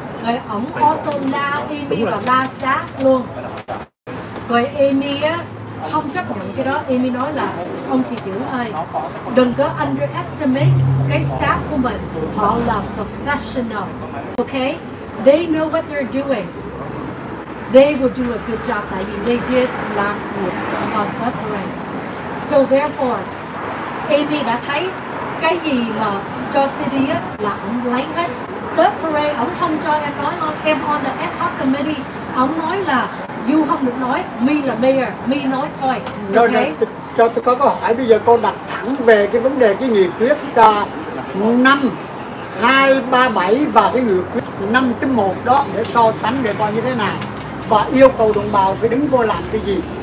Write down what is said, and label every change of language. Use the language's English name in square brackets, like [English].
[Vietnamese] Rồi ổng also la Amy và la staff luôn. Rồi Amy á không chấp nhận cái đó. Amy nói là ông thị trưởng ơi, đừng có underestimate cái staff của mình, họ là professional, okay? [English] They know what they're doing, they will do a good job, like they did last year on February. So therefore [Vietnamese] Amy đã thấy cái gì mà cho city á là ổng lấy hết. Tết Parade ổng không cho em nói, ông em [English] on the ad hoc committee, [Vietnamese] ổng nói là dù không được nói, mi là mayor, mi nói thôi. Rồi okay. Cho tôi có câu hỏi, bây giờ con đặt thẳng về cái vấn đề cái nghị quyết 5.237 và cái nghị quyết 5.1 đó để so sánh để coi như thế nào và yêu cầu đồng bào phải đứng vô làm cái gì.